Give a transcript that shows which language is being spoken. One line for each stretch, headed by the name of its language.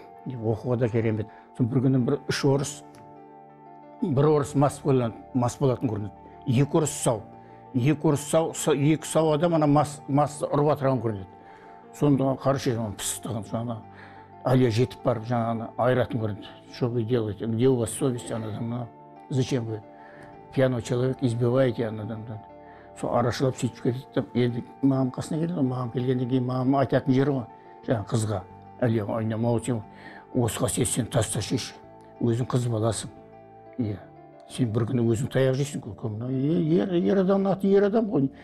Kazakh: Оқуға да керемет. Бір күні бір үш орыс, бір орыс мас болатын көрінеді. Екі орыс сау. Екі сау адам ана масты ұрып атырған көрінеді. Сонда қарашы жаман пысықтығын, сонда Әлия жетіп барып жаңағы айыратын көрінеді.
Russian: Что вы делаете? Где у вас совесть? Зачем вы? Пьяный человек, избиваете анадамды.
Kazakh: Сол арашылап сөйтіп кетеді деп, енді мамам қасына келеді, мамам келгеннен кейін мамама айтатын жері ғой, жаңағы қызға. Әлия айнамау, сен осыға сен таста шеш, өзің қыз баласың. Иә. Сен бір күні өзің таяқ жейсің көкемнен. Ер адамның аты ер адам ғой.